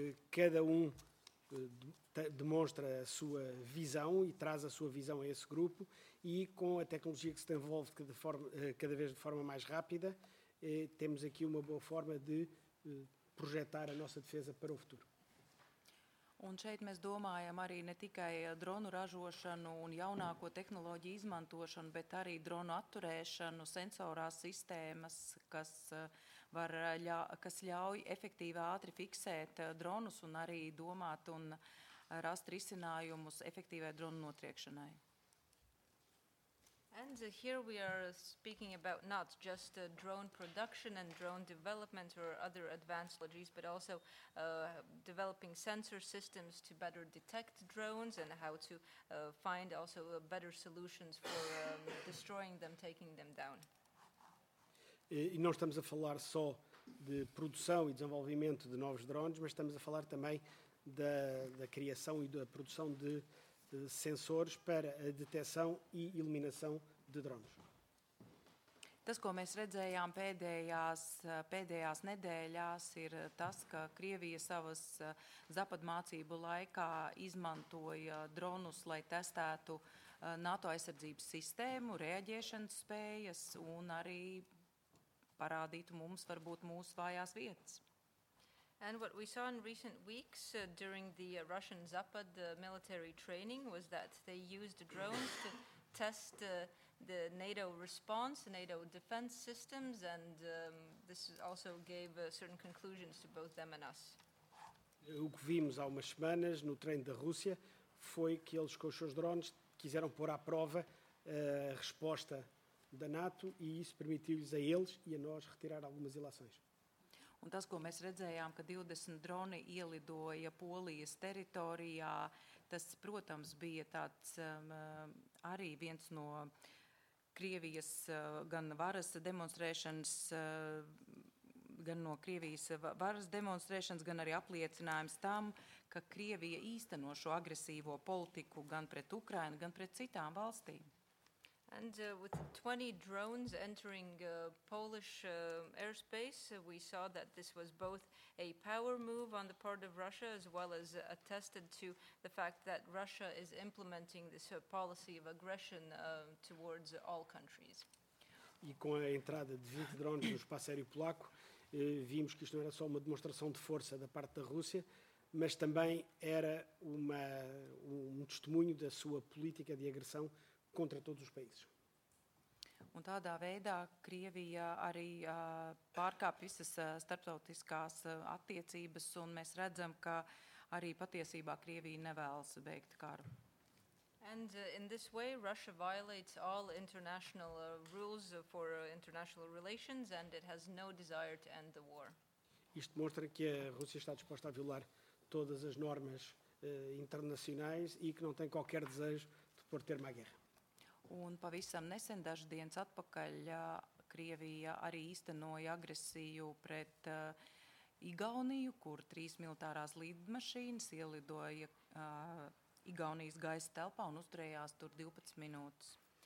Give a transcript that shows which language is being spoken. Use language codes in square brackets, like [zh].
[pt] Cada um demonstra a sua visão e traz a sua visão a esse grupo e com a tecnologia que se desenvolve cada vez de forma mais rápida, temos aqui uma boa forma de projetar a nossa defesa para o futuro. [lv] Un šeit mēs domājam arī ne tikai dronu ražošanu un jaunāko tehnoloģiju izmantošanu, bet arī dronu atturēšanu, sensorās sistēmas, kas ļauj efektīvi ātri fiksēt dronus un arī domāt un rast risinājumus efektīvai dronu notriekšanai. [en] And here we are speaking about not just drone production and drone development or other advanced logistics, but also developing sensor systems to better detect drones and how to find also better solutions for destroying them, taking them down. [pt] E não estamos a falar só de produção e desenvolvimento de novos drones, mas estamos a falar também da criação e da produção de sensores para a detecção e iluminação de drones. [lv] Tas, ko mēs redzējām pēdējās nedēļās, ir tas, ka Krievija savas zapadmācību laikā izmantoja dronus, lai testētu NATO aizsardzības sistēmu, reaģēšanas spējas un arī parādītu mums, varbūt, mūsu vājās vietas. [en] And what we saw in recent weeks during the Russian Zapad military training was that they used drones to test the NATO response, NATO defense systems, and this also gave certain conclusions to both them and us. [pt] O que vimos há umas semanas no treino da Rússia foi que eles com os seus drones quiseram pôr à prova a resposta da NATO e isso permitiu-lhes a eles e a nós retirar algumas ilações. [lv] Un tas, ko mēs redzējām, ka 20 droni ielidoja Polijas teritorijā, tas, protams, bija tāds arī viens no Krievijas gan varas demonstrēšanas, gan no Krievijas varas demonstrēšanas, gan arī apliecinājums tam, ka Krievija īsteno šo agresīvo politiku gan pret Ukrainu, gan pret citām valstīm. [en] And with 20 drones entering Polish airspace, we saw that this was both a power move on the part of Russia as well as attested to the fact that Russia is implementing this policy of aggression towards all countries. [pt] E com a entrada de 20 drones no espaço aéreo polaco, vimos que isto não era só uma demonstração de força da parte da Rússia, mas também era um testemunho da sua política de agressão contra todos os países. [lv] Un tādā veidā Krievija arī pārkāp visas starptautiskās attiecības, un mēs redzam, ka arī patiesībā Krievija nevēlas beigt karu. [en] And in this way, Russia violates all international rules for international relations, and it has no desire to end the war. [pt] Isto mostra que a Rússia está disposta a violar todas as normas internacionais e que não tem qualquer desejo de pôr termo à guerra. [lv] Un pavisam nesen dažas dienas atpakaļ Krievija arī īstenoja agresiju pret Igauniju, kur trīs militārās lidmašīnas ielidoja Igaunijas gaisa telpā un uzturējās tur 12 minūtes.